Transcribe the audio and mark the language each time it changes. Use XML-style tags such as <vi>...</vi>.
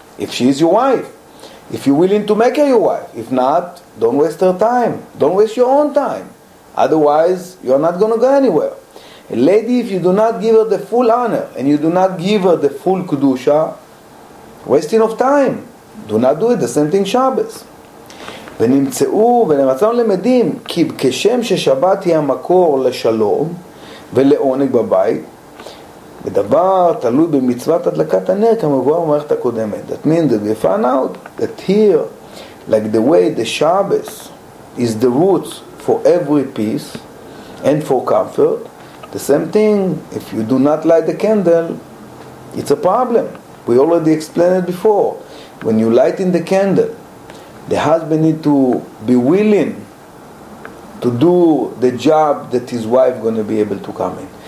<en>If she is your wife, if you're willing to make her your wife. If not, don't waste her time. Don't waste your own time. Otherwise, you're not going to go anywhere. A lady, if you do not give her the full honor and you do not give her the full kedusha, wasting of time. Do not do it. The same thing Shabbos.</en> <he>ונמצאו ונמצאו למדים כי כשם ששבת היא המקור לשלום ולעונג בבית בדבר תלוי במצוות הדלקת הנר כמבואר במערכת הקודמת.</he> <en>That means that we found out that here, like the way the Shabbos is the roots for every peace and for comfort, the same thing, if you do not light the candle, it's a problem. We already explained it before. When you light in the candle, the husband needs to be willing to do the job that his wife is going to be able to come in.</en>